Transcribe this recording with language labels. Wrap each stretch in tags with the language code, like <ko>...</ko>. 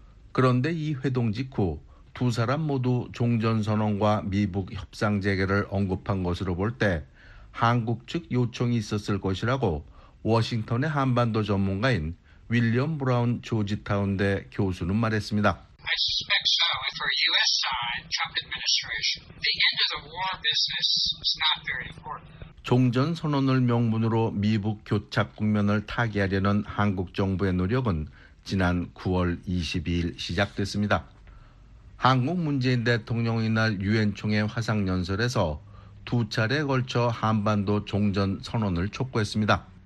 <ko>그런데 이 회동 직후 두 사람 모두 종전선언과 미북 협상 재개를 언급한 것으로 볼 때 한국 측 요청이 있었을 것이라고 워싱턴의 한반도 전문가인 윌리엄 브라운 조지타운대 교수는 말했습니다.</ko> <en>I suspect so. For U.S. side, Trump administration, the end of the war business is not very important.</en> <ko>종전선언을 명분으로 미북 교착 국면을 타개하려는 한국 정부의 노력은 지난 9월 22일 시작됐습니다. 한국 문재인 대통령 이날 유엔 총회 화상 연설에서 두 차례에 걸쳐 한반도 종전 선언을 촉구했습니다.</ko>